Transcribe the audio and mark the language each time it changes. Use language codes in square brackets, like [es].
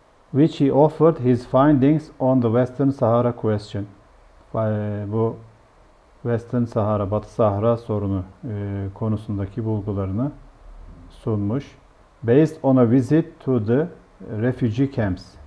[en] Which he offered his findings on the Western Sahara question. [tr] Bu Western Sahara, Batı Sahara sorunu konusundaki bulgularını sunmuş. [en] Based on a visit to the refugee camps.